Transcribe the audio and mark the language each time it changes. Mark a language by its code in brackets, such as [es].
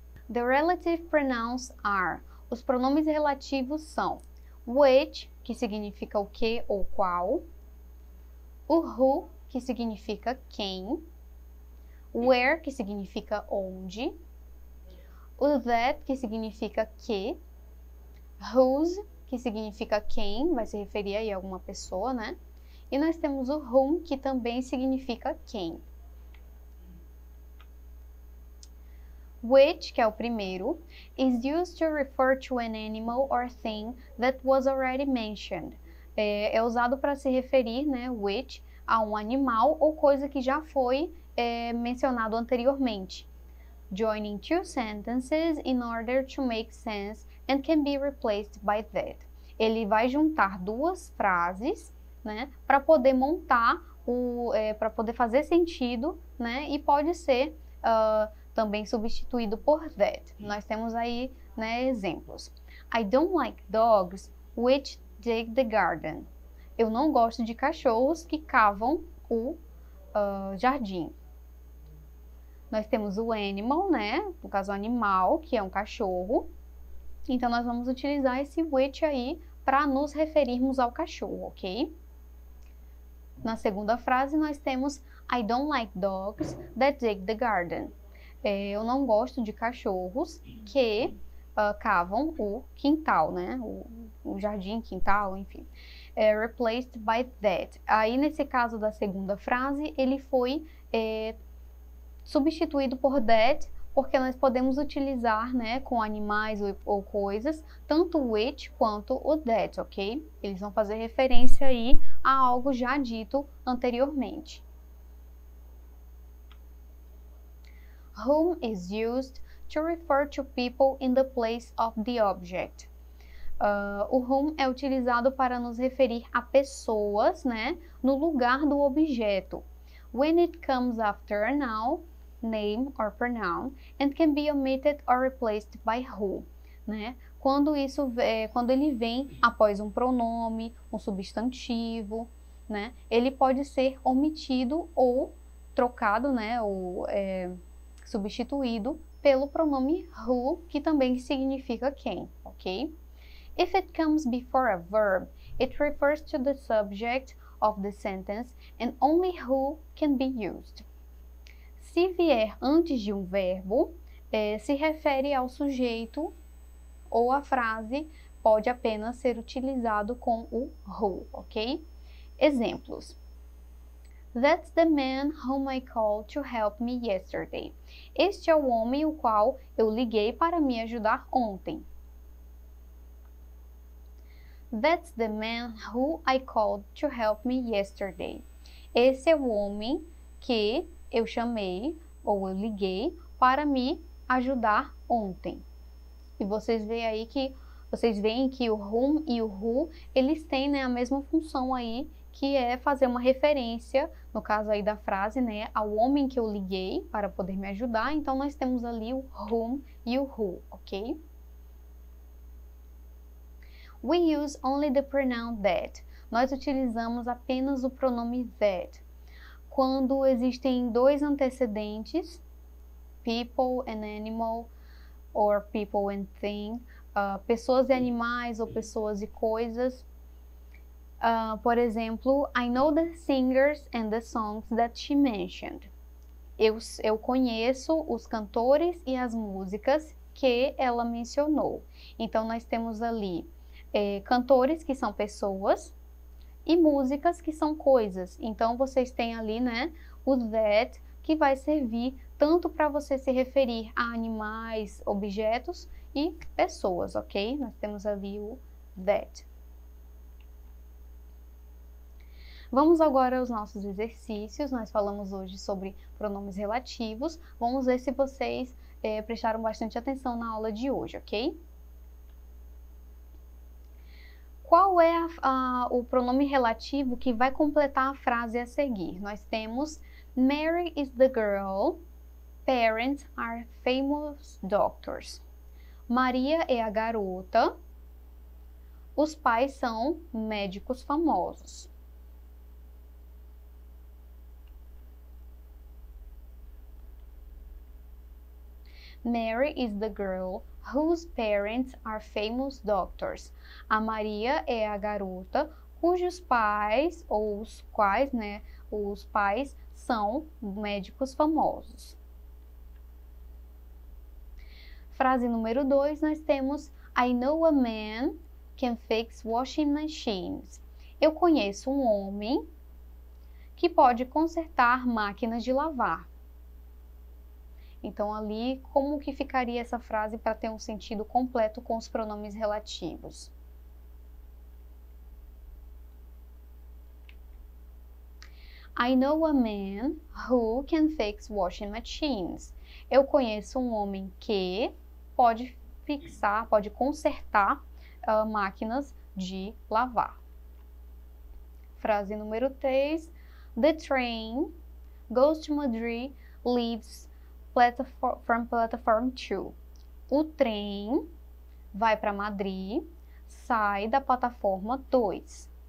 [en] The relative pronouns are. [pt] Os pronomes relativos são which, que significa o que ou qual, o who, que significa quem, where, que significa onde, o that, que significa que, whose, que significa quem, vai se referir aí a alguma pessoa, né? E nós temos o whom, que também significa quem. [en] Which, [pt] que é o primeiro, [en] is used to refer to an animal or thing that was already mentioned. [pt] É usado para se referir, né, which, a um animal ou coisa que já foi mencionado anteriormente. [en] Joining two sentences in order to make sense and can be replaced by that. [pt] Ele vai juntar duas frases, né, para poder montar para poder fazer sentido, né, e pode ser também substituído por that. Nós temos aí, né, exemplos. [en] I don't like dogs which dig the garden. [pt] Eu não gosto de cachorros que cavam o jardim. Nós temos o animal, né? No caso, o animal, que é um cachorro. Então, nós vamos utilizar esse which aí para nos referirmos ao cachorro, ok? Na segunda frase, nós temos [en] I don't like dogs that dig the garden. [pt] Eu não gosto de cachorros que cavam o quintal, né? O jardim, quintal, enfim. [en] Replaced by that. [pt] Aí, nesse caso da segunda frase, ele foi substituído por that, porque nós podemos utilizar, né, com animais ou coisas, tanto o which quanto o that, ok? Eles vão fazer referência aí a algo já dito anteriormente. [en] Whom is used to refer to people in the place of the object. [pt] O whom é utilizado para nos referir a pessoas, né, no lugar do objeto. [en] When it comes after a noun, name or pronoun, and can be omitted or replaced by who, né? [pt] Quando isso quando ele vem após um pronome, um substantivo, né? Ele pode ser omitido ou trocado, né? Ou substituído pelo pronome who, que também significa quem, ok? [en] If it comes before a verb, it refers to the subject of the sentence and only who can be used. [pt] Se vier antes de um verbo, se refere ao sujeito ou a frase pode apenas ser utilizado com o who, ok? Exemplos. [en] That's the man whom I called to help me yesterday. [pt] Este é o homem o qual eu liguei para me ajudar ontem. [en] That's the man who I called to help me yesterday. [pt] Esse é o homem que eu chamei ou eu liguei para me ajudar ontem. E vocês veem que o whom e o who, eles têm, né, a mesma função aí que é fazer uma referência, no caso aí da frase, né, ao homem que eu liguei para poder me ajudar. Então, nós temos ali o whom e o who, ok? [en] We use only the pronoun that. [pt] Nós utilizamos apenas o pronome that quando existem dois antecedentes, [en] people and animal, or people and thing, [pt] pessoas e animais, ou pessoas e coisas. Por exemplo, [en] I know the singers and the songs that she mentioned. [pt] Eu conheço os cantores e as músicas que ela mencionou. Então, nós temos ali cantores, que são pessoas, e músicas, que são coisas. Então, vocês têm ali, né, o that, que vai servir tanto para você se referir a animais, objetos e pessoas, ok? Nós temos ali o that. Vamos agora aos nossos exercícios. Nós falamos hoje sobre pronomes relativos. Vamos ver se vocês prestaram bastante atenção na aula de hoje, ok? Qual é o pronome relativo que vai completar a frase a seguir? Nós temos [en] Mary is the girl, parents are famous doctors. [pt] Maria é a garota, os pais são médicos famosos. [en] Mary is the girl whose parents are famous doctors. [pt] A Maria é a garota cujos pais, ou os quais, né, os pais são médicos famosos. Frase número 2, nós temos [en] I know a man can fix washing machines. [pt] Eu conheço um homem que pode consertar máquinas de lavar. Então, ali, como que ficaria essa frase para ter um sentido completo com os pronomes relativos? [en] I know a man who can fix washing machines. [pt] Eu conheço um homem que pode fixar, pode consertar máquinas de lavar. Frase número 3. [en] The train goes to Madrid, leaves from platform 2. [pt] O trem vai para Madrid, sai da plataforma 2.